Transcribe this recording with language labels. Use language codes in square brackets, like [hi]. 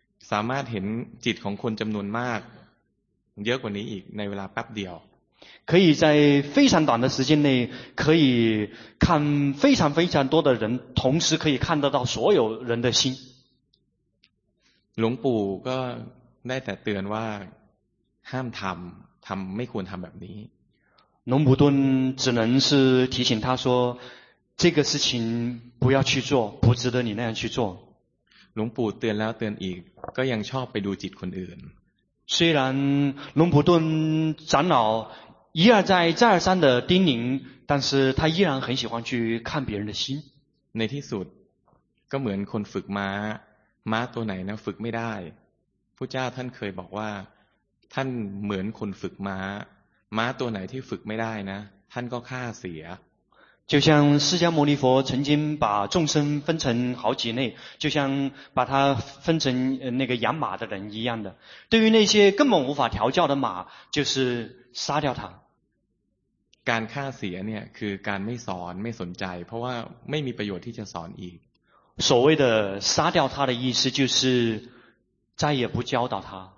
[th] สามารถเห็นจิตของคนจำนวนมากเยอะกว่านี้อีกในเวลาแป๊บเดียว [zh] 可以在非常短的时间内可以看非常非常多的人同时可以看得到所有人的心 [th] หลวงปู่ก็ได้แต่เตือนว่าห้ามทำไม่ควรทำแบบนี้ [zh] หลวงปู่ดุล只能是提醒他说这个事情不要去做不值得你那样去做 [th] หลวงปู่เตือนแล้วเตือนอีกก็ยังชอบไปดูจิตคนอื่น [zh] 虽然หลวงปู่ดุล长老一而再再而三的叮咛但是他依然很喜欢去看别人的心 [th] ในที่สุดก็เหมือนคนฝึกม้าตัวไหนนะฝึกไม่ได้พุทธเจ้าท่านเคยบอกว่าท่านเหมือนคนฝึกม้าตัวไหนที่ฝึกไม่ได้นะท่านก็ฆ่าเสีย [zh] 就像释迦牟尼佛曾经把众生分成好几类就像把它分成那个养马的人一样的对于那些根本无法调教的马就是杀掉它 [th] การฆ่าเสียเนี่ยคือการไม่สอนไม่สนใจเพราะว่าไม่มีประโยชน์ที่จะสอนอีก [zh] 所谓的杀掉它的意思就是再也不教导它